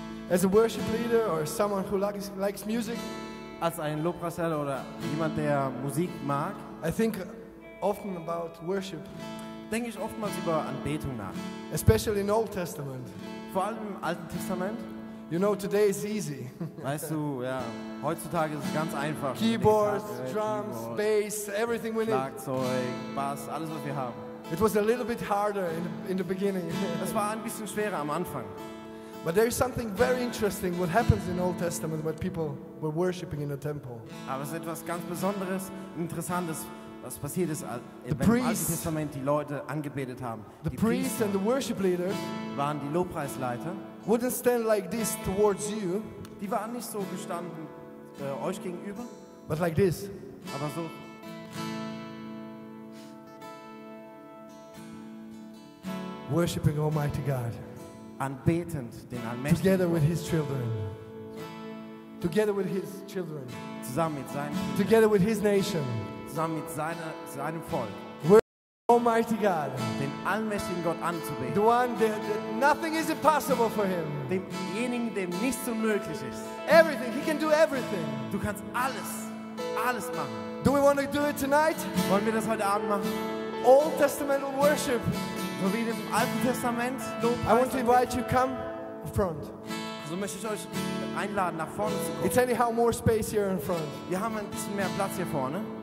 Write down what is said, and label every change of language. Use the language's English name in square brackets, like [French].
[English] As a worship leader or someone who likes music, [German] als ein Lobpreisleiter oder jemand, der Musik mag, [English] I think often about worship. [German] Denke ich oftmals über Anbetung nach. [English] Especially in Old Testament. [German] Vor allem im Alten Testament. [English] You know, today is easy. [German] Weißt du, ja, heutzutage ist es ganz einfach. [English] Keyboards, drums, bass, everything we need. [German] Schlagzeug, Bass, alles was wir haben. [English] It was a little bit harder in the beginning. [German] Es war ein bisschen schwerer am Anfang. [English] But there is something very interesting what happens in Old Testament when people were worshiping in the temple. [German] Aber es ist etwas ganz Besonderes, Interessantes, was passiert ist, wenn im Alten Testament die Leute angebetet haben. [English] The priests and the worship leaders [German] waren die Lobpreisleiter. [English] Wouldn't stand like this towards you. [German] Die waren nicht so gestanden euch gegenüber. [English] But like this. [German] Aber so. [English] Worshiping Almighty God. [German] Anbetend den Allmächtigen. [English] Together with his children. Together with his children. [German] Zusammen mit seinen Kindern. [English] Together with his nation. [German] Zusammen mit seinem Volk. [English] Worshiping Almighty God. [German] Den Allmächtigen Gott anzubeten. [English] The one that nothing is impossible for him. [German] Demjenigen, dem nichts unmöglich ist. [English] Everything. He can do everything. [German] Du kannst alles machen. [English] Do we want to do it tonight? [German] Wollen wir das heute Abend machen? [English] Old Testamental worship. [German] So wie im Alten Testament. [English] I want to invite you to come front. [German] So möchte ich euch einladen, nach vorne zu kommen. [English] It's anyhow more space here in front. [German] Wir haben ein bisschen mehr Platz hier vorne.